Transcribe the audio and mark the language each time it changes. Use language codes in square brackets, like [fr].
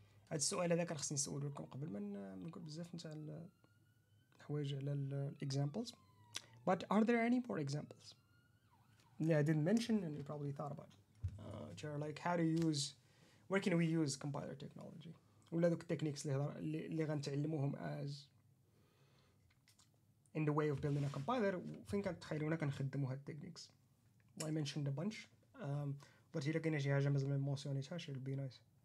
[ar] هاد السؤال هذا كان خصني نسأله لكم قبل ما نقول بزاف نتاع الحوايج على examples. [en] But are there any more examples? Yeah, I didn't mention and you probably thought about it. Which are like how to use, where can we use compiler technology? [ar] ولا دوك التكنيكس اللي غنتعلموهم [en] as in the way of building a compiler, [ar] فين كنتخيلونا كنخدموا هاد التكنيكس. [en] I mentioned a bunch but here again [ar] شي حاجه مازال ما موسيونيتهاش, [en] it'll be nice.